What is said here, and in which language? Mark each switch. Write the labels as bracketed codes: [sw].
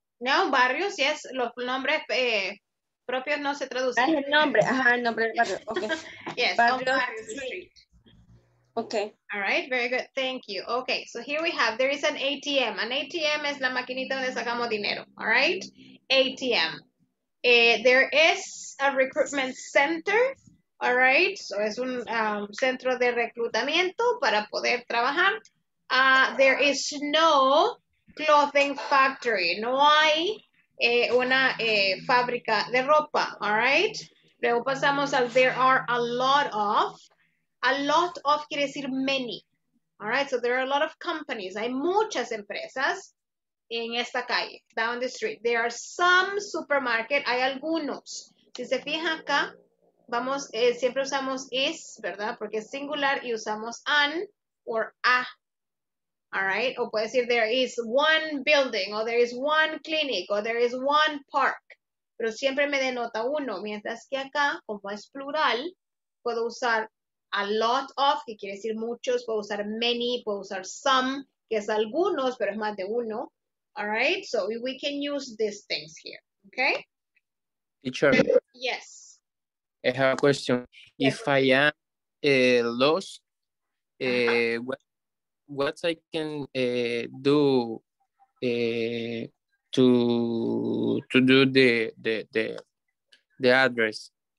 [es] No, barrios, yes, los nombres propios no se traducen. Es el nombre, ajá, el nombre del barrio, okay. [en] Yes, barrio, on barrio street. Okay. All right, very good, thank you. Okay, so here we have, there is an ATM. [es] An ATM es la maquinita donde sacamos dinero, all right? ATM. [en] There is a recruitment center. [es] All right, so es un centro de reclutamiento para poder trabajar. [en] There is no clothing factory. [es] No hay una fábrica de ropa, all right? Luego pasamos al [en] there are a lot of. A lot of [es] quiere decir [en] many, all right? So there are a lot of companies. [es] Hay muchas empresas en esta calle, [en] down the street. There are some supermarket, [es] hay algunos. Si se fija acá, vamos, siempre usamos is, ¿verdad? Porque es singular y usamos an or a. [en] All right, [es] o puede decir [en] there is one building, or there is one clinic, or there is one park. [es] Pero siempre me denota uno, mientras que acá, como es plural, puedo usar a lot of, que quiere decir muchos, puedo usar many, puedo usar some, que es algunos, pero es más de uno. [en] All right, so we can use these things here, okay? Teacher. Yes. I have a question. Yes. If I am lost, what I can do to do the address?